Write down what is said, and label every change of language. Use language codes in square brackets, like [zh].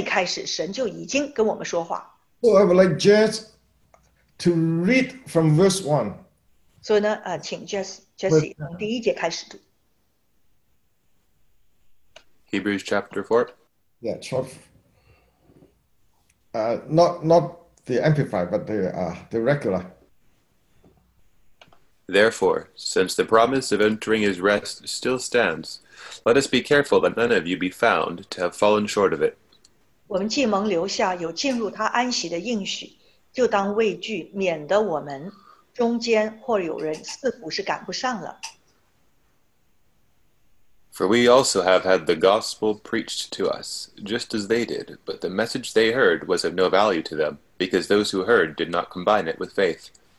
[zh] 就呢,回想到原来是从最开始神就已经跟我们说话。 [en] So I would like Jess to read from verse 1. [zh] 所以呢,请Jesse从第一节开始读。 [en] Hebrews chapter 4. Yeah, 12. Not the Amplified, but the regular. Therefore, since the promise of entering his rest still stands, let us be careful that none of you be found to have fallen short of it. [zh] 我们既蒙留下,有进入他安息的应许,就当畏惧,免得我们中间或有人似乎是赶不上了。For [en] we also have had the gospel preached to us, just as they did, but the message they heard was of no value to them, because those who heard did not combine it with faith.